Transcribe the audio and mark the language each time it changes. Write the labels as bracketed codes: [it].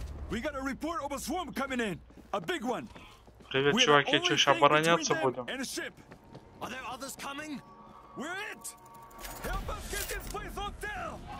[en] We got a report of a swarm coming in. A big one. [ru] Привет, чуваки, что сейчас обороняться будем? [en] Are there others coming? We're it. Help us get this place on sale.